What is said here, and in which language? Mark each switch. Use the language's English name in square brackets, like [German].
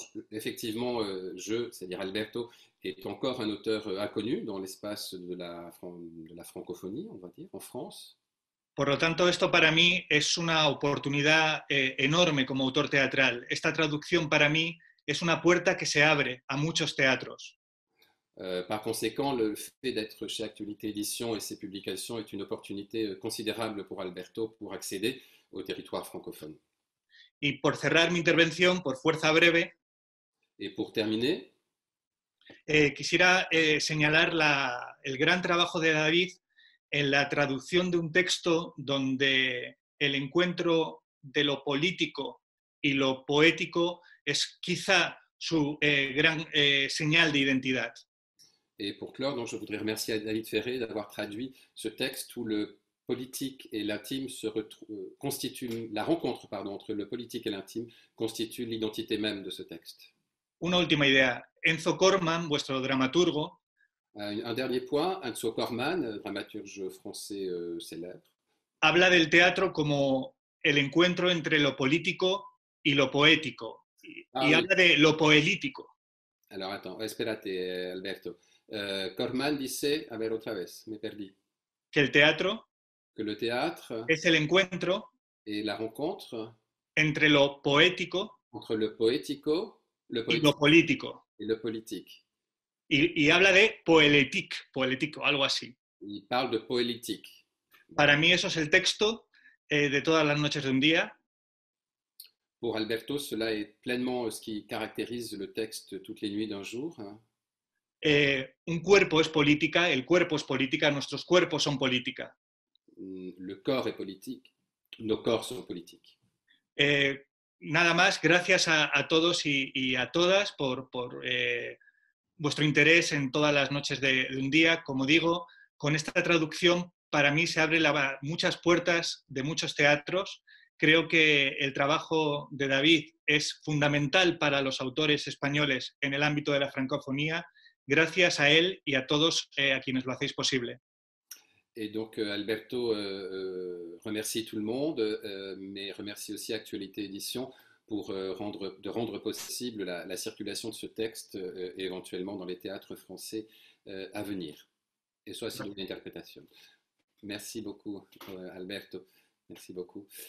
[French] Effectivement, je, c'est-à-dire Alberto, est encore un auteur inconnu dans l'espace de la francophonie, on va dire, en France. [Spanish] Por lo tanto, esto para mí es una oportunidad enorme como autor teatral. Esta traducción para mí es una puerta que se abre a muchos teatros. [French] Par conséquent, le fait d'être chez Actualité Éditions et ses publications est une opportunité considérable pour Alberto pour accéder au territoire francophone. [Spanish] Y por cerrar mi intervención, por fuerza breve, [French] et pour terminer, [Spanish] quisiera señalar el gran trabajo de David en la traducción de un texto donde el encuentro de lo político y lo poético es quizá su gran señal de identidad. [French] Et pour clore, donc, je voudrais remercier David Ferré d'avoir traduit ce texte où le politique et l'intime entre le politique et l'intime constitue l'identité même de ce texte. [Spanish] Una última idea. Enzo Corman, vuestro dramaturgo. [French] Un dernier point. Enzo Corman, dramaturge français célèbre. [Spanish] Habla del teatro como el encuentro entre lo político y lo poético. Habla de lo poético. [French] Alors, attends. [Spanish] Espérate, [French] Alberto. Corman disait, [Spanish] a ver otra vez, me perdí. Que [French] le théâtre [Spanish] es el encuentro [French] et la rencontre [Spanish] entre lo poético [French] entre le poético, [Spanish] le poético y lo político. [French] Et le politique. [Spanish] Y habla de poélétique, poético, algo así. [French] Il parle de poélétique. [Spanish] Para mí eso es el texto de todas las noches de un día. [French] Pour Alberto, cela est pleinement ce qui caractérise le texte toutes les nuits d'un jour. Hein. [Spanish] Un cuerpo es política, el cuerpo es política, nuestros cuerpos son política. [French] Le corps est politique, nos corps sont politiques. [Spanish] Nada más, gracias a todos y a todas por vuestro interés en todas las noches de un día. Como digo, con esta traducción para mí se abren muchas puertas de muchos teatros. Creo que el trabajo de David es fundamental para los autores españoles en el ámbito de la francofonía. Gracias a él y a todos a quienes lo hacéis posible. [French] Et donc Alberto remercie tout le monde, mais remercie aussi Actualité Éditions pour rendre possible la circulation de ce texte éventuellement dans les théâtres français à venir. Et soit sur une interprétation. Merci beaucoup Alberto. Merci beaucoup.